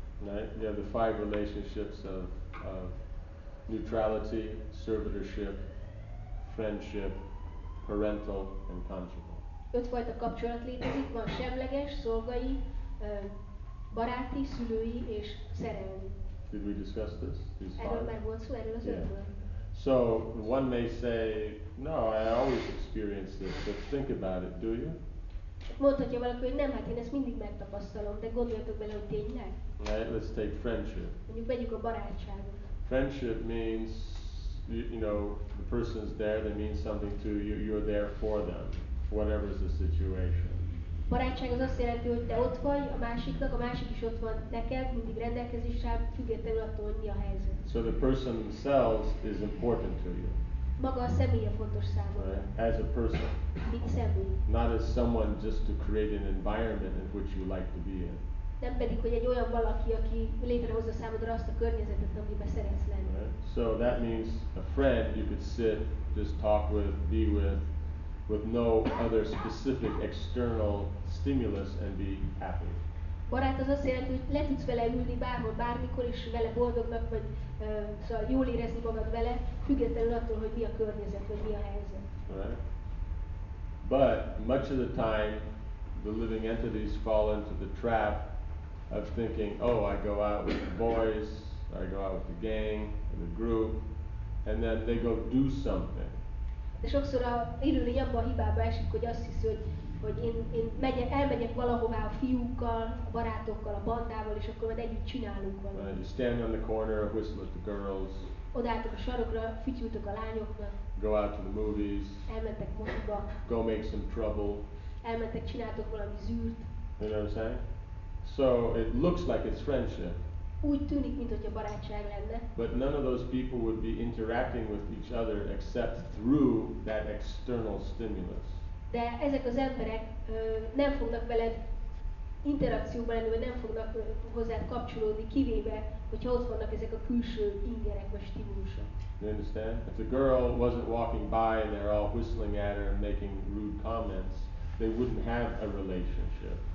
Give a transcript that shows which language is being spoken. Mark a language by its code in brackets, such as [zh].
[en] Right? You have the five relationships of neutrality, servitorship, friendship, parental, and conjugal. [hu] Ötfajta kapcsolat létezik, van semleges, szolgai, baráti, szülői és szerelmi. [en] Did we discuss this? [hu] Erről már volt szó, erről az ötből. [en] So one may say, no, I always experience this, but think about it, do you? [hu] Mondhatja valaki, hogy nem, hát én ezt mindig megtapasztalom, de gondoljatok bele, hogy tényleg? [en] Right, let's take friendship. [hu] Mondjuk vegyük a barátságot. [en] Friendship means, you know, the person's there, they mean something to you, you're there for them, whatever is the situation. [hu] Barátság az azt jelenti, hogy te ott vagy a másiknak, a másik is ott van neked, mindig rendelkezésre, függetlenül attól, hogy mi a helyzet. [en] So the person themselves is important to you. [hu] Maga a személye fontos számodra. [en] Right? As a person. [hu] Mint személy. [en] Not as someone just to create an environment in which you like to be in. [hu] Nem pedig, hogy egy olyan valaki, aki létrehozza számodra azt a környezetet, amiben szeretsz lenni. [en] Right? So that means a friend you could sit, just talk with, be with no other specific external stimulus and be happy. [hu] Barát az azt jelenti, hogy le tudsz vele ülni bárhol, bármikor, és vele boldognak, vagy szóval jól érezni magad vele, függetlenül attól, hogy mi a környezet, vagy mi a helyzet. [en] Right. But much of the time, the living entities fall into the trap of thinking, oh, I go out with the boys, I go out with the gang, and the group, and then they go do something. [hu] De sokszor a élőlény abban a hibába esik, hogy azt hiszi, hogy én megyek, elmegyek valahová a fiúkkal, a barátokkal, a bandával, és akkor majd együtt csinálunk valamit. [en] You stand on the corner, whistle at the girls. [hu] Odálltok a sarokra, fütyültök a lányoknak. [en] Go out to the movies. [hu] Elmentek moziba. [en] Go make some trouble. [hu] Elmentek, csináltok valami zűrt. [en] You know what I'm saying? So it looks like it's friendship. [hu] Úgy tűnik, mint hogy a barátság lenne. [en] But none of those people would be interacting with each other except through that external stimulus. [hu] De ezek az emberek nem fognak veled interakcióban lenni, vagy nem fognak hozzád kapcsolódni, kivéve, hogyha ott vannak ezek a külső ingerek vagy stimulusok. [en] You understand? If the girl wasn't walking by and they're all whistling at her and making rude comments, they wouldn't have a relationship.